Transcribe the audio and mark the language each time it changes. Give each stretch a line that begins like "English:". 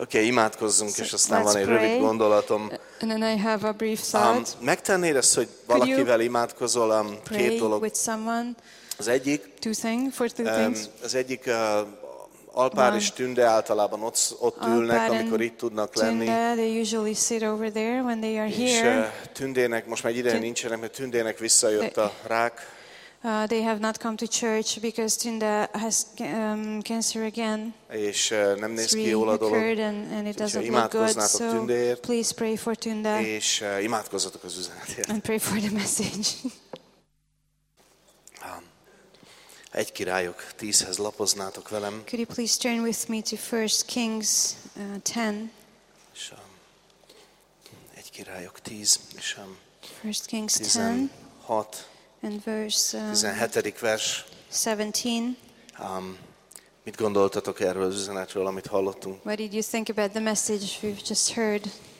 Hungarian: Okay, imádkozzunk, és aztán van egy rövid gondolatom.
English: And then I have a brief thought.
Hungarian: Megtennéd ezt, hogy valakivel imádkozol, két dolog.
English: With someone?
Hungarian: Az egyik.
English: Two things.
Hungarian: Az egyik Alpár és Tünde általában ott ülnek, amikor itt tudnak lenni.
English: They usually sit over there when they are here.
Hungarian: És Tündének most már ideje nincsenek, mert Tündének visszajött a rák.
English: They have not come to church because Tünde has cancer again.
Hungarian: És nem néz ki jól a dolog.
English: And it doesn't look good. So please pray for Tünde.
Hungarian: És imádkozzatok az üzenetért.
English: And pray for the message.
Hungarian: Egy Királyok 10-hez lapoznátok velem.
English: Could you please turn with me to 1 Kings 10?
Hungarian: Egy Királyok 10.
English: 1 Kings 10. 16. And verse
Hungarian: 17. vers. 17. Mit gondoltatok erről az üzenetről, amit hallottunk?
English: What did you think about the message we've just heard?